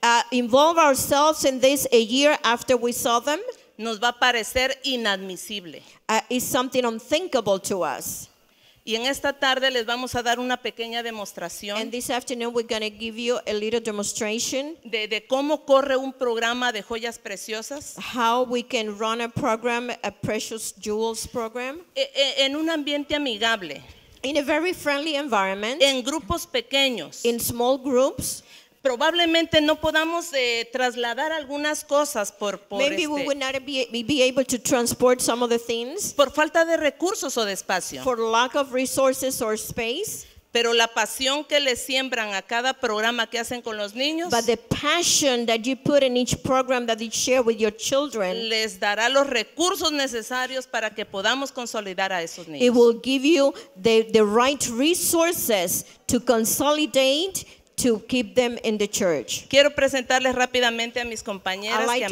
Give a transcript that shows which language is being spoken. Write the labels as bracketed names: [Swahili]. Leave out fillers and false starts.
[English] Involve ourselves in this a year after we saw them. [Spanish] Nos va a parecer inadmisible. [English] Is something unthinkable to us. [Spanish] Y en esta tarde les vamos a dar una pequeña demostración. [English] And this afternoon we're going to give you a little demonstration. [Spanish] De cómo corre un programa de joyas preciosas. [English] How we can run a program, a precious jewels program. [Spanish] En un ambiente amigable. [English] In a very friendly environment. [Spanish] En grupos pequeños. [English] In small groups. [Spanish] Probablemente no podamos trasladar algunas cosas por [English] maybe [Spanish] este, [English] we would not be able to transport some of the things. [Spanish] Por falta de recursos o de espacio. [English] For lack of resources or space. [Spanish] Pero la pasión que le siembran a cada programa que hacen con los niños. [English] But the passion that you put in each program that you share with your children. [Spanish] Les dará los recursos necesarios para que podamos consolidar a esos niños. [English] It will give you the right resources to consolidate, to keep them in the church. [Spanish] Quiero presentarles rápidamente a mis compañeras que amablemente.